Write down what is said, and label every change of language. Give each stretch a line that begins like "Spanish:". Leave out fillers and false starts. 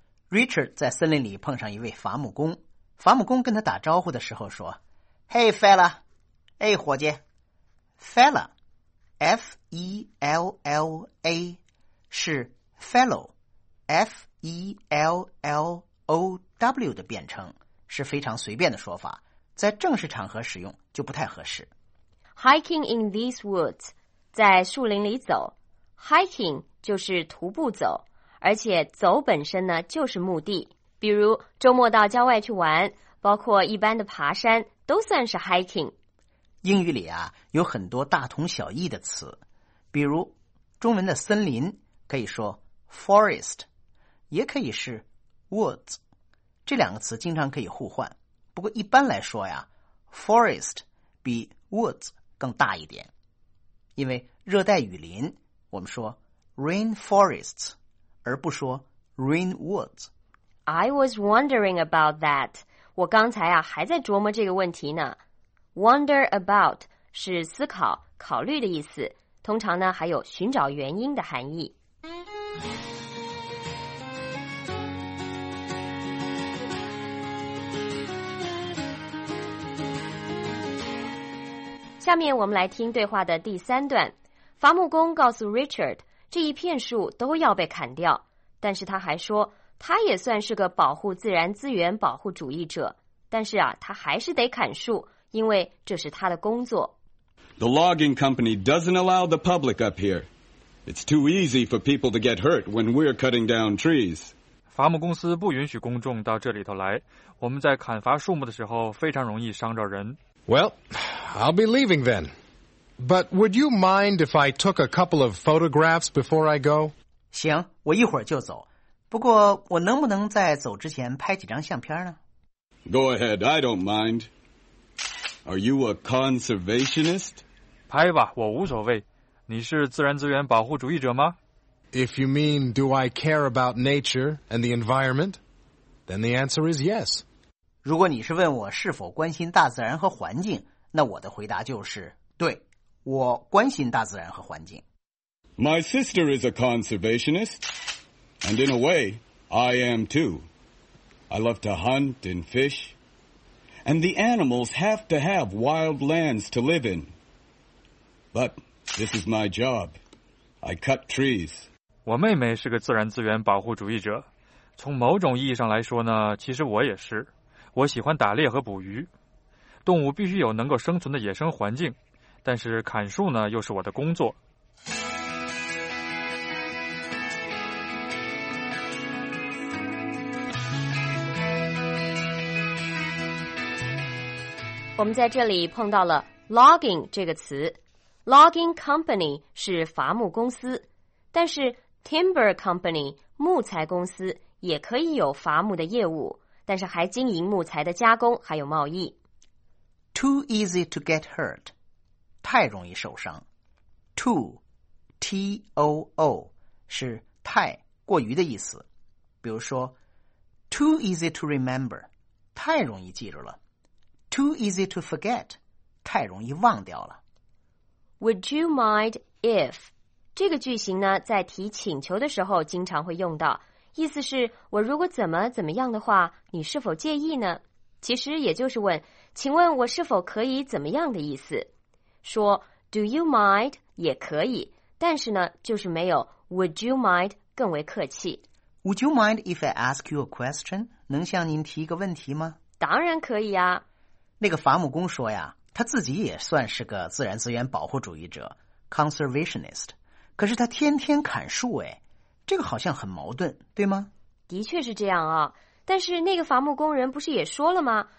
Chinese: Richard 在森林里碰上一位伐木工，伐木工跟他打招呼的时候说 ：
English: “Hey fella，
Chinese: 哎伙计 ，fella，F-E-L-L-A 是 fellow，F-E-L-L-O-W 的变称，是非常随便的说法。” 在正式场合使用就不太合适。
English: Hiking in these woods，
Chinese: 在树林里走。 Hiking 就是徒步走，而且走本身呢就是目的。比如周末到郊外去玩，包括一般的爬山，都算是 hiking。英语里啊有很多大同小异的词，比如中文的森林可以说 forest， 也可以是 woods， 这两个词经常可以互换。不过一般来说呀 ，forest 比 woods 更大一点，因为热带雨林我们说 rainforests， 而不说 rain woods。
English: I was wondering about that。
Chinese: 我刚才啊还在琢磨这个问题呢。Wonder about 是思考、考虑的意思，通常呢还有寻找原因的含义。下面我们来听对话的第三段。伐木工告诉 Richard， 这一片树都要被砍掉，但是他还说他也算是个保护自然资源保护主义者，但是啊他还是得砍树，因为这是他的工作。
English: The logging company doesn't allow the public up here. It's too easy for people to get hurt when we're cutting down trees.
Chinese: 伐木公司不允许公众到这里头来，我们在砍伐树木的时候非常容易伤着人。
English: Well, I'll be leaving then. But would you mind if I took a couple of photographs before I go?
Chinese: 行，我一会儿就走。不过我能不能在走之前拍几张相片呢？
English: Go ahead, I don't mind. Are you a conservationist?
Chinese: 拍吧，我无所谓。你是自然资源保护主义者吗？
English: If you mean do I care about nature and the environment, then the answer is yes.
Chinese: 如果你是问我是否关心大自然和环境，那我的回答就是，对，我关心大自然和环境。
English: My sister is a conservationist, and in a way, I am too. I love to hunt and fish, and the animals have to have wild lands to live in. But this is my job. I cut trees.
Chinese: 我妹妹是个自然资源保护主义者，从某种意义上来说呢，其实我也是。我喜欢打猎和捕鱼，动物必须有能够生存的野生环境，但是砍树呢，又是我的工作。我们在这里碰到了 logging 这个词。Logging company 是伐木公司，但是 timber company 木材公司也可以有伐木的业务，但是还经营木材的加工还有贸易。
English: Too easy to get hurt，
Chinese: 太容易受伤。 Too， T-O-O， 是太过于的意思。比如说 ，
English: Too easy to remember，
Chinese: 太容易记住了。
English: Too easy to forget，
Chinese: 太容易忘掉了。
English: Would you mind if
Chinese: 这个句型呢，在提请求的时候经常会用到，意思是我如果怎么怎么样的话，你是否介意呢？其实也就是问，请问我是否可以怎么样的意思。说
English: Do you mind
Chinese: 也可以，但是呢，就是没有
English: Would you mind
Chinese: 更为客气。
English: Would you mind if I ask you a question?
Chinese: 能向您提一个问题吗？当然可以啊。那个伐木工说呀，他自己也算是个自然资源保护主义者 conservationist， 可是他天天砍树，哎，这个好像很矛盾，对吗？的确是这样啊，但是那个伐木工人不是也说了吗？